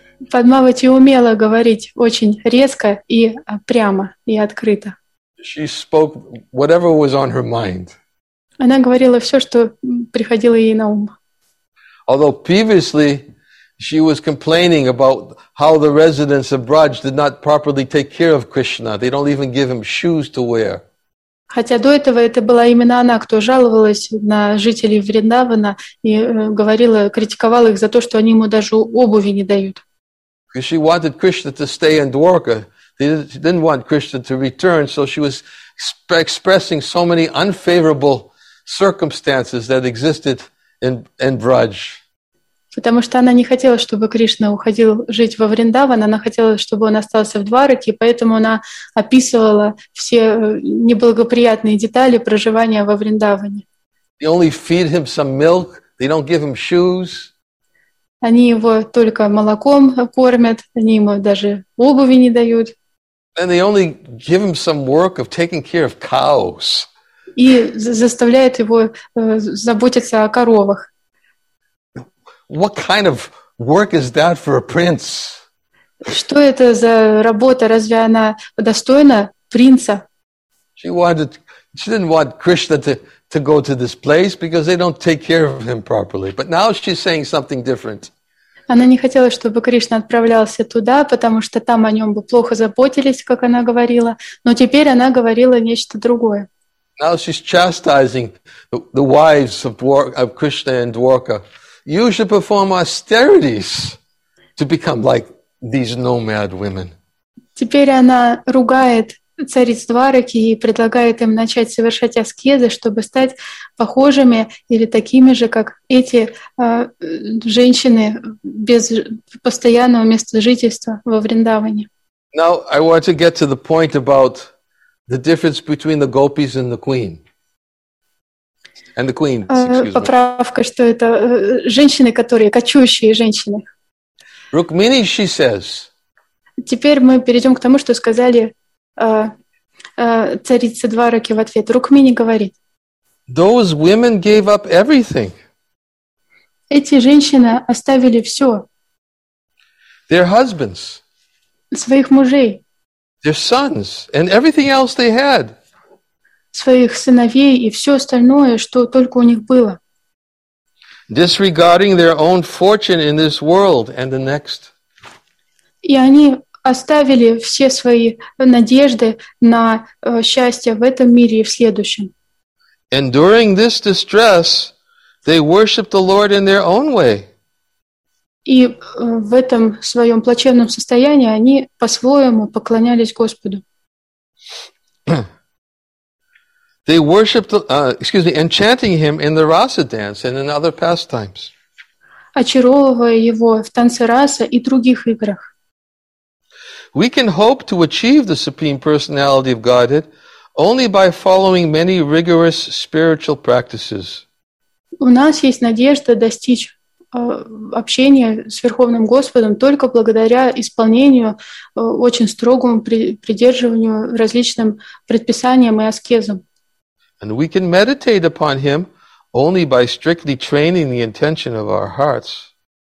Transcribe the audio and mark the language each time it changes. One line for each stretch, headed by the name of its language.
Russian: Padmavati умела говорить очень резко и прямо и открыто.
English: She spoke whatever was on her mind.
Russian: Она говорила все, что приходило ей на ум.
English: Although previously she was complaining about how the residents of Braj did not properly take care of Krishna, they don't even give him shoes to wear.
Russian: Хотя до этого это была именно она, кто жаловалась на жителей Вриндавана и говорила, критиковала их за то, что они ему даже обуви не дают.
English: Because she wanted Krishna to stay in Dwarka. She didn't want Krishna to return, so she was expressing so many unfavorable circumstances that existed in Braj.
Russian: Потому что она не хотела, чтобы Кришна уходил жить во Вриндаван, она хотела, чтобы он остался в Двараке, поэтому она описывала все неблагоприятные детали проживания во Вриндаване.
English: They only feed him some milk, they don't give him shoes.
Russian: Они его только молоком кормят, они ему даже обуви не дают.
English: And they only give him some work of taking care of cows.
Russian: И заставляют его заботиться о коровах.
English: What kind of work is that for a prince?
Russian: Что это за работа? Разве она достойна принца?
English: She didn't want Krishna to go to this place because they don't take care of him properly. But now she's saying something different.
Russian: Она не хотела, чтобы Кришна отправлялся туда, потому что там о нем бы плохо заботились, как она говорила. Но теперь она говорила нечто другое.
English: Now she's chastising the wives of Krishna and Dwarka. You should perform austerities to become like these nomad women.
Russian: Теперь она ругает цариц Двараки и предлагает им начать совершать аскезы, чтобы стать похожими или такими же, как эти женщины без постоянного места жительства во Вриндаване.
English: Now I want to get to the point about the difference between the gopis and the queen. And the queen,
Russian: поправка, что это женщины, которые кочующие женщины.
English: Rukmini, she says.
Russian: Теперь мы перейдем к тому, что сказали царица Двараки в ответ. Рукмини говорит:
English: "Those women gave up everything."
Russian: Эти женщины оставили все.
English: Their husbands.
Russian: Своих мужей.
English: Their sons and everything else they had.
Russian: Своих сыновей и все остальное, что только у них было.
English: Disregarding their own fortune in this world and the next.
Russian: И они оставили все свои надежды на счастье в этом мире и в следующем.
English: Enduring this distress, they worshiped the Lord in their own way.
Russian: И в этом своем плачевном состоянии они по-своему поклонялись Господу.
English: They worshiped, enchanting him in the rasa dance and in other pastimes.
Russian: Очаровывая его в танце раса и других играх.
English: We can hope to achieve the Supreme Personality of Godhead only by following many rigorous spiritual practices.
Russian: У нас есть надежда достичь общения с Верховным Господом только благодаря исполнению очень строгому придерживанию различным предписаниям и аскезам.
English: And we can meditate upon him only by strictly training the intention of our hearts.